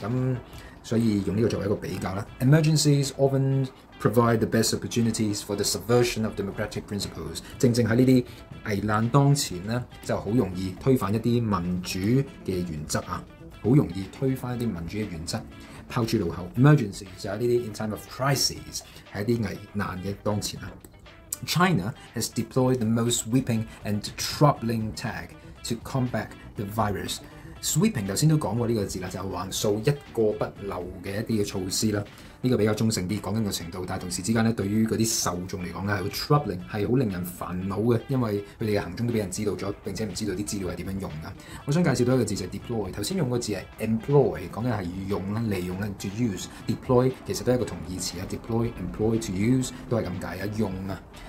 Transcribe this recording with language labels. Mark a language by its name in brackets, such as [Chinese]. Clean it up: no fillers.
[Cantonese] 咁所以用呢個作為一個比較啦。 [English] Emergencies often provide the best opportunities for the subversion of democratic principles。 [Cantonese] 正正喺呢啲危難當前咧，就好容易推翻一啲民主嘅原則啊。好容易推翻一啲民主嘅原則，拋諸腦後。 Emergency 就係呢啲 [English] in time of crisis， [Cantonese] 係一啲危難嘅當前啊。 [English] China has deployed the most sweeping and troubling tag to combat the virus。 [Cantonese] Sweeping 頭先都講過呢個字啦，就係橫掃一個不漏嘅一啲嘅措施啦。呢個比較中性啲，講緊個程度，但係同時之間咧，對於嗰啲受眾嚟講咧，係好 troubling， 係好令人煩惱嘅，因為佢哋嘅行蹤都俾人知道咗，並且唔知道啲資料係點樣用噶。我想介紹多一個字就係 deploy， 頭先用個字係 employ， 講緊係用啦、利用啦 ，to use deploy 其實都係一個同義詞啊 ， [English] deploy、employ、to use [Cantonese] 都係咁解啊，用啊。